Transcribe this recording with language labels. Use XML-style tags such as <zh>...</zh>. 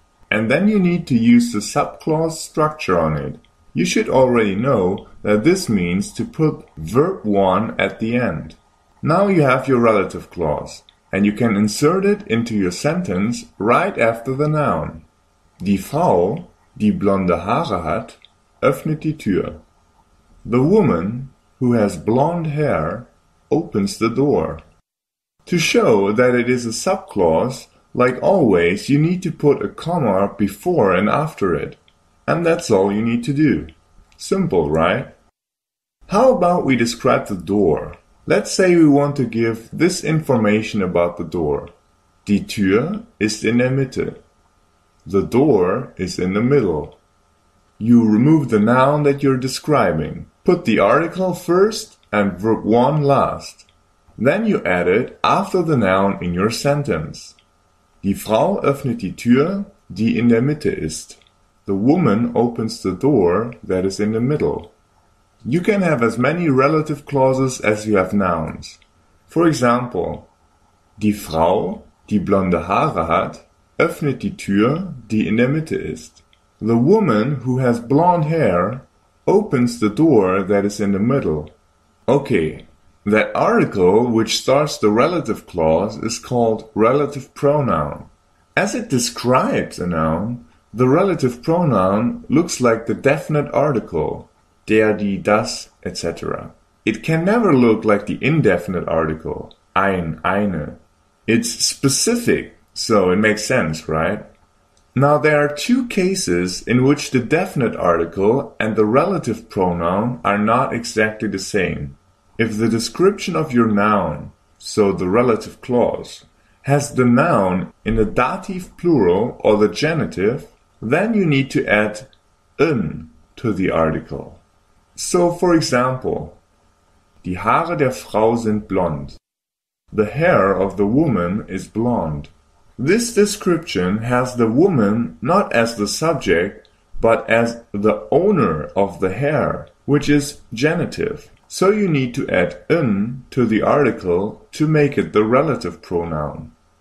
<en>And then you need to use the subclause structure on it. You should already know that this means to put verb 1 at the end. Now you have your relative clause. And you can insert it into your sentence right after the noun.</en> <de>Die Frau, die blonde Haare hat, öffnet die Tür.</de> <en>The woman, who has blonde hair, opens the door. To show that it is a subclause, like always, you need to put a comma before and after it. And that's all you need to do. Simple, right? How about we describe the door? Let's say we want to give this information about the door.</en> <de>Die Tür ist in der Mitte.</de> <en>The door is in the middle. You remove the noun that you're describing. Put the article first and verb 1 last. Then you add it after the noun in your sentence.</en> <de>Die Frau öffnet die Tür, die in der Mitte ist.</de> <en>The woman opens the door that is in the middle. You can have as many relative clauses as you have nouns. For example,</en> <de>die Frau, die blonde Haare hat, öffnet die Tür, die in der Mitte ist.</de> <en>The woman who has blonde hair opens the door that is in the middle. Okay, that article which starts the relative clause is called relative pronoun. As it describes a noun, the relative pronoun looks like the definite article. Der, die, das, etc. It can never look like the indefinite article, ein, eine. It's specific, so it makes sense, right? Now, there are two cases in which the definite article and the relative pronoun are not exactly the same. If the description of your noun, so the relative clause, has the noun in the dative plural or the genitive, then you need to add un to the article.</en> <de>So, for example, die Haare der Frau sind blond.</de> <en>The hair of the woman is blonde. This description has the woman not as the subject, but as the owner of the hair, which is genitive. So you need to add un to the article to make it the relative pronoun.</en>